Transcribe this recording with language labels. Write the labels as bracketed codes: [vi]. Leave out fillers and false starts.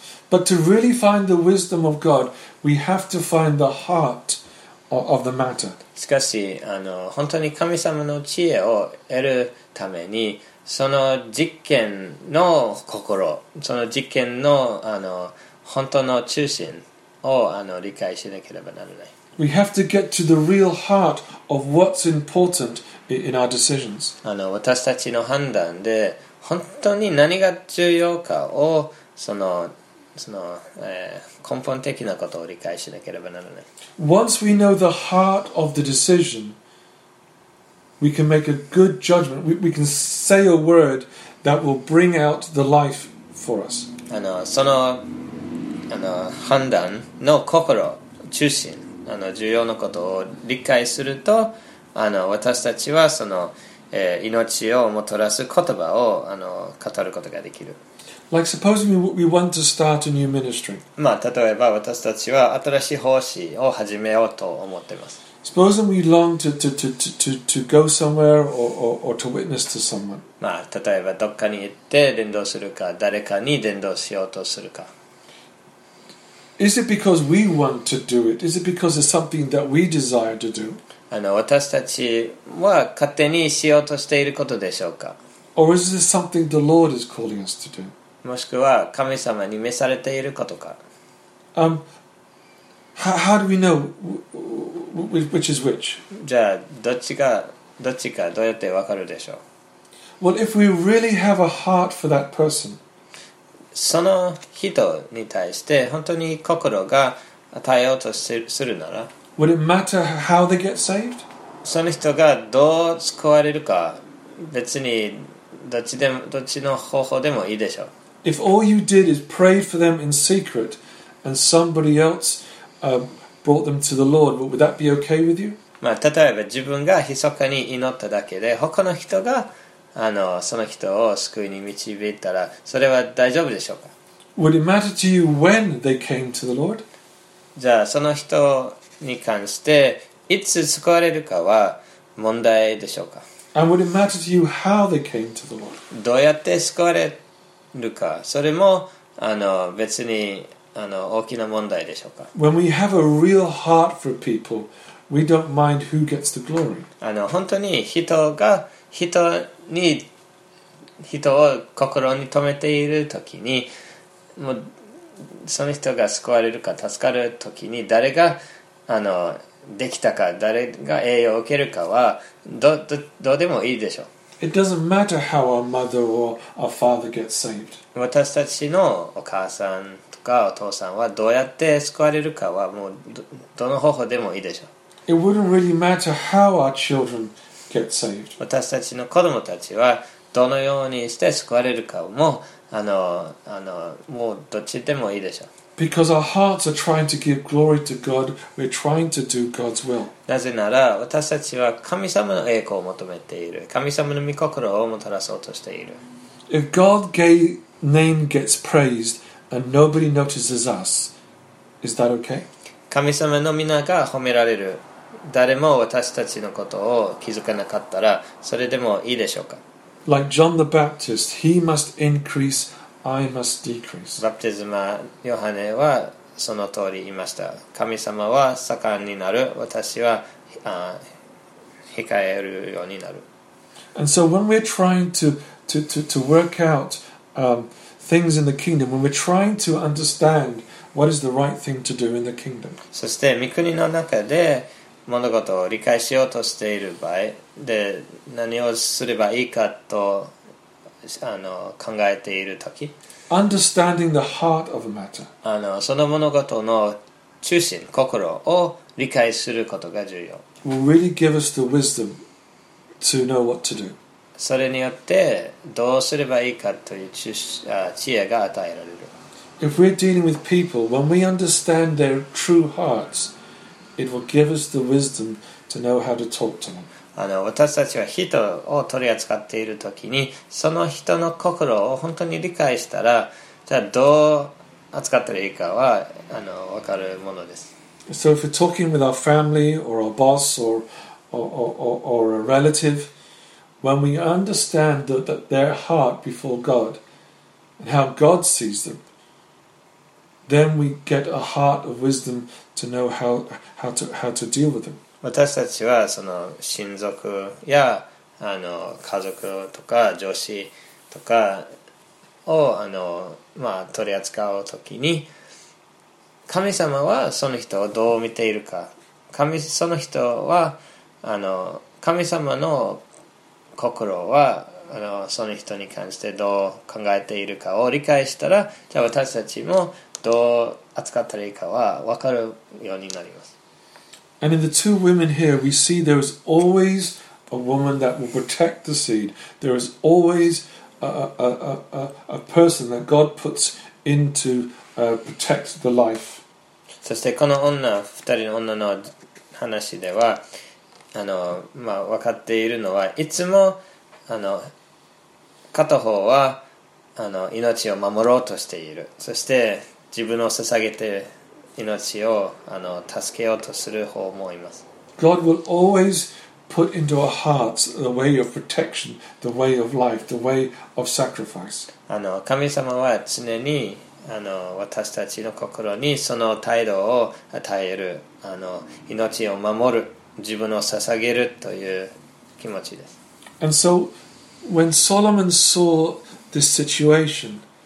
[en] But to really find the wisdom of God, we have to find the heart of the matter. [ja] しかし、あの、本当に神様の知恵を得るために、その実験の心、その実験の、あの、本当の中心を、あの、理解しなければならない。 [en] We have to get to the real heart of what's important in our decisions. [ja] あの、私たちの判断で本当に何が重要かをその、根本的なことを理解しなければならない。 [en] Once we know the heart of the decision, we can make a good judgment. We can say a word that will bring out the life for us. [ja] あの、その、あの、判断の心、中心、あの、重要なことを理解すると、あの、私たちはその、命をもたらす言葉をあの語ることができる。 [en] Like suppose we want to start a new ministry. [ja] まあ例えば私たちは新しい奉仕を始めようと思っています。 [en] Suppose we long to go somewhere or to witness to someone. [ja] まあ例えばどっかに行って伝道するか、誰かに伝道しようとするか。 [en] Is it because we want to do it? Is it because it's something that we desire to do? [ja] あの、私たちは勝手にしようとしていることでしょうか。 [en] Or is this something the Lord is calling us to do? [ja] もしくは神様に召されていることか。 [en] How do we know which is which? [ja] じゃあどっちかどうやってわかるでしょう。 [en] Well, if we really have a heart for that person, [ja] その人に対して本当に心が与えようとするなら。 [en] Would it matter how they get saved? [ja] その人がどう救われるか、別にどっちの方法でもいいでしょう。 [en] If all you did is pray for them in secret and somebody else brought them to the Lord, would that be okay with you? [ja] まあ、例えば自分が密かに祈っただけで、他の人があのその人を救いに導いたら、それは大丈夫でしょうか? [en] Would it matter to you when they came to the Lord? [ja] じゃあその人をに関していつ救われるかは問題でしょうか。 [en] And would it matter to you how they came to the Lord? [ja] どうやって救われるか、それもあの別にあの、大きな問題でしょうか? [en] When we have a real heart for people, we don't mind who gets the glory. [ja] あの、本当に人が人を心に留めているときに、もうその人が救われるか助かるときに、誰があのできたか、誰が栄誉を受けるかは どうでもいいでしょう。 [en] It doesn't matter how our mother or our father gets saved. [ja] 私たちのお母さんとかお父さんはどうやって救われるかはもう どの方法でもいいでしょう。 [en] It wouldn't really matter how our children get saved. [ja] 私たちの子供たちはどのようにして救われるかもあのもうどっちでもいいでしょう。 [en] Because our hearts are trying to give glory to God, we're trying to do God's will. [ja] なぜなら私たちは神様の栄光を求めている。神様の御心をもたらそうとしている。 [en] If God's name gets praised and nobody notices us, is that okay? [ja] 神様の皆が褒められる。誰も私たちのことを気づかなかったら、それでもいいでしょうか? [en] Like John the Baptist, he must increase. I must decrease. [ja] バプテスマ、ヨハネはその通り言いました。神様は盛んになる、私は控えるようになる。 [en] And so when we're trying to work out things in the kingdom, when we're trying to understand what is the right thing to do in the kingdom. [ja] そして御国の中で物事を理解しようとしている場合で、何をすればいいかと。あの考えているとき、 [en] Understanding the heart of a matter. [ja] あのその物事の中心、心を理解することが重要。 [en] Will really give us the wisdom to know what to do. [ja] それによってどうすればいいかという知恵が与えられる。 [en] If we're dealing with people, when we understand their true hearts, it will give us the wisdom to know how to talk to them. [ja] あの私たちは人を取り扱っているときに、その人の心を本当に理解したら、じゃあどう扱ったらいいかはあの分かるものです。 [en] So if we're talking with our family or our boss or a relative, when we understand that their heart before God and how God sees them, then we get a heart of wisdom to know how to deal with them. [ja] 私たちはその親族やあの家族とか上司とかをあの、まあ、取り扱うときに、神様はその人をどう見ているか、その人はあの神様の心はあのその人に関してどう考えているかを理解したら、じゃあ私たちもどう扱ったらいいかは分かるようになります。 [en] And in the two women here, we see there is always a woman that will protect the seed. There is always a person that God puts in to protect the life. [ja] そしてこの女、二人の女の話では、あの、まあ、分かっているのは、いつもあの片方はあの命を守ろうとしている。そして自分を捧げて命をあの助けようとする方もいます。 [en] God will always put into our hearts the way of protection, the way of life, the way of sacrifice. [ja] あの神様は常にあの私たちの心にその態度を与える、あの命を守る、自分を捧げるという気持ちです。 [en] And so when Solomon saw this situation.